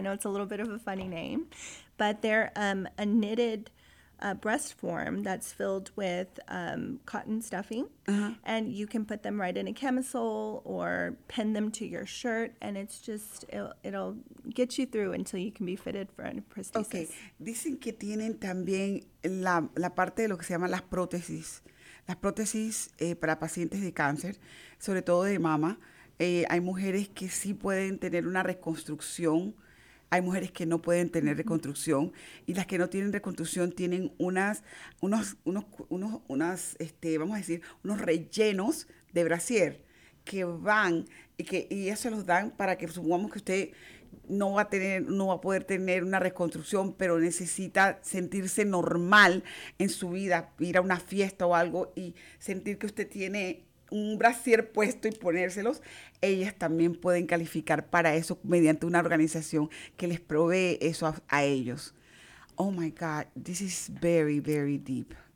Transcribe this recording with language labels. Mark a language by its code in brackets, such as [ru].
[en] I know it's a little bit of a funny name, but they're a knitted breast form that's filled with cotton stuffing. Uh-huh. And you can put them right in a camisole or pin them to your shirt. And it's just, it'll get you through until you can be fitted for a prosthesis. Okay. [es] Dicen que tienen también la parte de lo que se llama las prótesis. Las prótesis para pacientes de cáncer, sobre todo de mama. Hay mujeres que sí pueden tener una reconstrucción. Hay mujeres que no pueden tener reconstrucción y las que no tienen reconstrucción tienen unos rellenos de brasier que van y eso los dan para que supongamos que usted no va a poder tener una reconstrucción, pero necesita sentirse normal en su vida, ir a una fiesta o algo y sentir que usted tiene un brasier puesto y ponérselos, ellas también pueden calificar para eso mediante una organización que les provee eso a ellos. [en] Oh my God, this is very, very deep.